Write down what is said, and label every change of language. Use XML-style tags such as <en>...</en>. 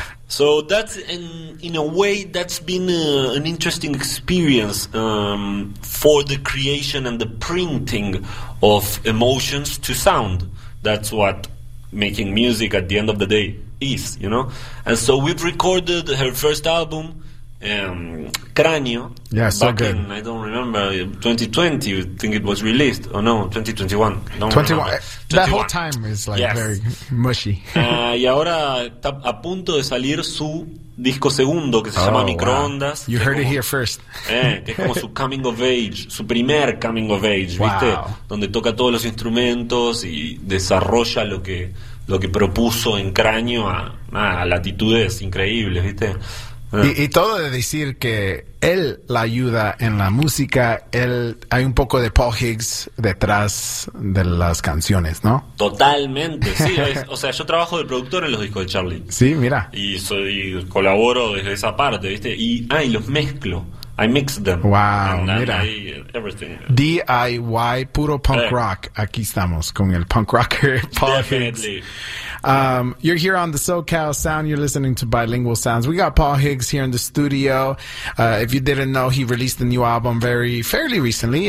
<en>So that's, in a way, that's been an interesting experience for the creation and the printing of emotions to sound. That's what making music at the end of the day is, you know? And so we've recorded her first album, Cranio. Yeah, so back good. In, I don't remember, 2020, you think it was released. Oh, no, 2021. 21. That whole time is, like, yes. Very mushy.</en> <es>Y ahora está a punto de salir su disco segundo, que se llama Microondas.</es> <en>Wow. You heard como, it here first.</en> <es>Que es como su coming of age, su primer coming of age, wow. ¿Viste? Donde toca todos los instrumentos y desarrolla lo que propuso en Cráneo a latitudes increíbles, ¿viste? Y todo de decir que él la ayuda en la música, él hay un poco de Paul Higgs detrás de las canciones, ¿no? Totalmente, sí. O sea, yo trabajo de productor en los discos de Charlie. Sí, mira. Y colaboro desde esa parte, ¿viste? Y los mezclo.</es> <en>I mix them. Wow,</en> <es>mira. DIY, puro punk rock. Aquí estamos con el punk rocker Paul Higgs.</es> <en>You're here on the SoCal Sound. You're listening to Bilingual Sounds. We got Paul Higgs here in the studio. If you didn't know, he released a new album fairly recently.</en>